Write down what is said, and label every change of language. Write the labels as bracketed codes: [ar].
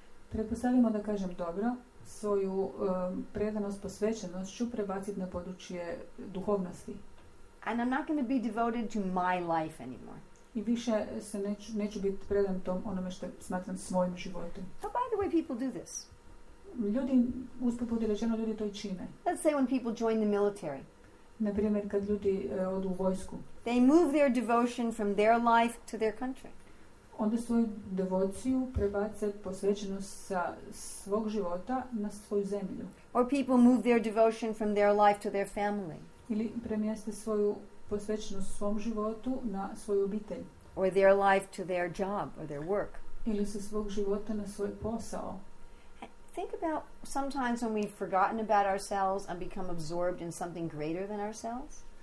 [hr] Pretpostavimo da kažem dobro, svoju predanost, posvećenost ću prebaciti na područje duhovnosti. [en] And I'm not going to be devoted to my life anymore. [hr] I više se neću biti predan tom onome što smatram svojim životom. [en] So by the way, people do this. [hr] Ljudi, usput budi rečeno, ljudi to i čine. [en] Let's say when people join the military. [hr] Naprimjer, kad ljudi odu u vojsku. [en] They move their devotion from their life to their country. [hr] Onda svoju devociju prebace posvećenost sa svog života na svoju zemlju. [en] Or people move their devotion from their life to their family. [hr] Ili premjeste svoju posvećenost svom životu na svoju obitelj. [en] or their life to their job or their work. [hr] Ili se svog života na svoj posao. [en] Think about sometimes when we've forgotten about ourselves and become absorbed in something greater than ourselves.